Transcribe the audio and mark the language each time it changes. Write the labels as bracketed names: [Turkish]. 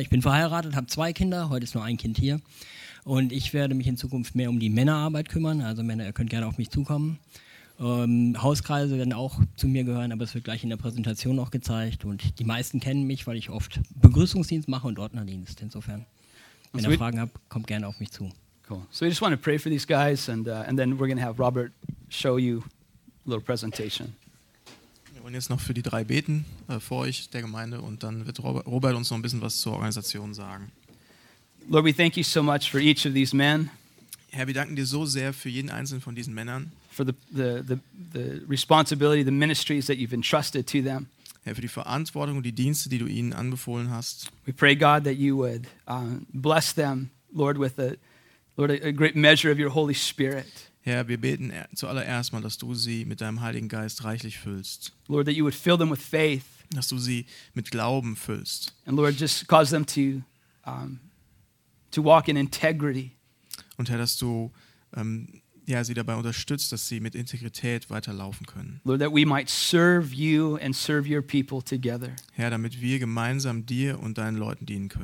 [German] Ich bin verheiratet, habe 2 Kinder, heute ist nur 1 Kind hier. Und ich werde mich in Zukunft mehr um die Männerarbeit kümmern, also Männer, ihr könnt gerne auf mich zukommen. Hauskreise werden auch zu mir gehören, aber es wird gleich in der Präsentation auch gezeigt. Und die meisten kennen mich, weil ich oft Begrüßungsdienst mache und Ordnerdienst. Insofern, wenn ihr Fragen habt, kommt gerne auf mich zu. [English] Cool. So we just want to pray for these guys, and then we're going to have Robert show you a little presentation. [German] Wir wollen jetzt noch für die 3 beten, vor euch, der Gemeinde, und dann wird Robert uns noch ein bisschen was zur Organisation sagen. [English] Lord, we thank you so much for each of these men. [German] Herr, wir danken dir so sehr für jeden einzelnen von diesen Männern. [English] For the responsibility, the ministries that you've entrusted to them. [German] Herr, für die Verantwortung und die Dienste, die du ihnen anbefohlen hast. [English] We pray, God, that you would bless them, Lord, with a great measure of your Holy Spirit. [German] Herr, wir beten zuallererst mal, dass du sie mit deinem Heiligen Geist reichlich füllst. [English] Lord, that you would fill them with faith. [German] Dass du sie mit Glauben füllst. [English] And Lord, just cause them to walk in integrity. [German] Und Herr, dass du sie dabei unterstützt, dass sie mit Integrität weiterlaufen können. [English] Lord, that we might serve you and serve your people together. [German] Herr, damit wir gemeinsam dir und deinen Leuten dienen können.